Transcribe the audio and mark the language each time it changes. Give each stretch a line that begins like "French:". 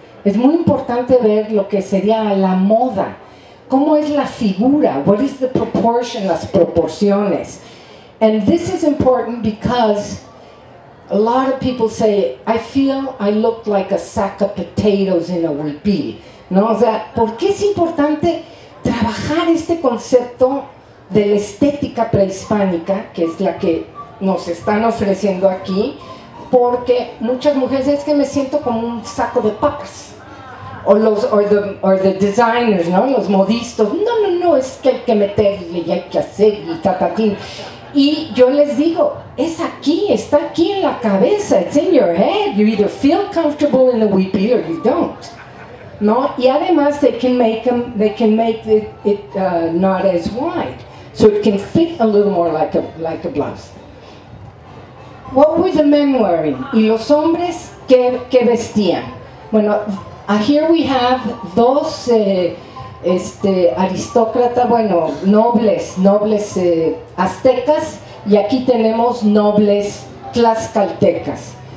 Spanish: Es muy importante ver lo que sería la moda. ¿Cómo es la figura?
English: What is the proportion,
Spanish: las proporciones?
English: And this is important because a lot of people say, I feel I look like a sack of potatoes in a huipil.
Spanish: ¿No? O sea, ¿por qué es importante trabajar este concepto de la estética prehispánica, que es la que nos están ofreciendo aquí? Porque muchas mujeres dicen, es que me siento como un saco de papas.
English: Or the designers,
Spanish: ¿no? Los modistas. No, es que hay que meterle y hay que hacer y tatatín. Y yo les digo, es aquí, está aquí en la cabeza.
English: It's in your head. You either feel comfortable in the huipil or you don't. ¿No?
Spanish: Y además,
English: they can make it not as wide. So it can fit a little more like a blouse. What were the men wearing?
Spanish: ¿Y los hombres qué vestían? Bueno,
English: here we have
Spanish: dos aristócratas, bueno, nobles aztecas, y aquí tenemos nobles tlaxcaltecas.